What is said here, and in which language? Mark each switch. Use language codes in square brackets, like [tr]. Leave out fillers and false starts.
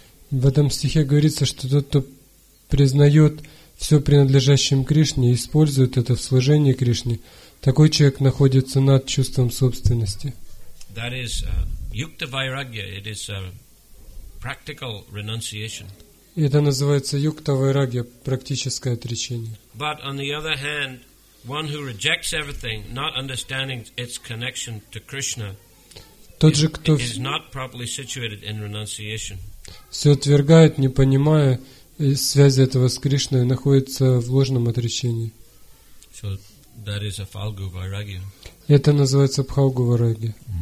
[ru] В этом стихе говорится, что тот, кто признает все принадлежащим Кришне и использует это в служении Кришне, такой человек находится над чувством собственности. [en] That is yukta vairagya. It is a practical renunciation. [ru] И это называется юкта вайрагья, практическое отречение. [en] But on the other hand, one who rejects everything, not understanding its connection to Krishna, is not properly situated in renunciation. [ru] Все отвергает, не понимая связи этого с Кришной, находится в ложном отречении. [en] So that is a falgu vairagya. [ru] Это называется бхалгу вайрагья.